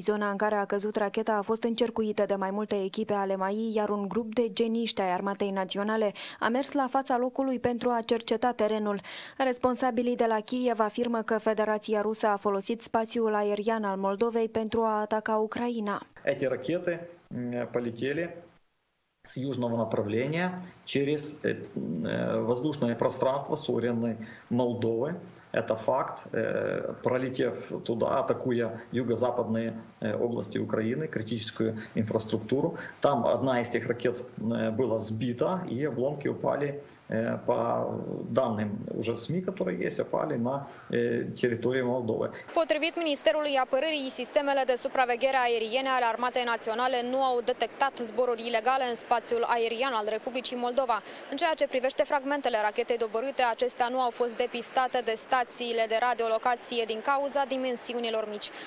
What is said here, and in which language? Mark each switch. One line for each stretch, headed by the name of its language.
Romanian: Zona în care a căzut racheta a fost încercuită de mai multe echipe ale MAI, iar un grup de geniști ai Armatei Naționale a mers la fața locului pentru a cerceta terenul. Responsabilii de la Kiev afirmă că Federația Rusă a folosit spațiul aerian al Moldovei pentru a ataca Ucraina. Aceste rachete
Russian: poletele с южного направления через воздушное пространство суверенной Молдовы. Это факт. Пролетев туда, атакуя юго-западные области Украины, критическую инфраструктуру, там одна из этих ракет была сбита, и обломки упали, по данным уже в СМИ, которые есть, упали на территории Молдовы.
Romanian: Potrivit Ministerului Apărării, sistemele de supraveghere aeriene ale Armatei Naționale nu au detectat zboruri ilegale în spațiu aerian al Republicii Moldova. În ceea ce privește fragmentele rachetei dobărâte, acestea nu au fost depistate de stațiile de radiolocație din cauza dimensiunilor mici.